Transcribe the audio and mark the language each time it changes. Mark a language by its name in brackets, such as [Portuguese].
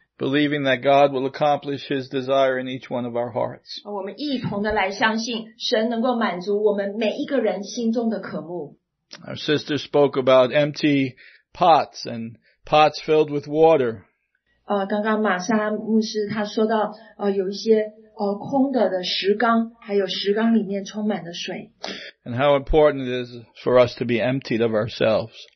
[English] Believing that God will accomplish His desire in each one of our hearts. [Chinese] 我们一同的来相信，神能够满足我们每一个人心中的渴慕。 [English] Our sister spoke about empty pots and pots filled with water. [Chinese] 刚刚玛莎牧师他说到，有一些空的石缸，还有石缸里面充满的水。 [English] And how important it is for us to be emptied of ourselves.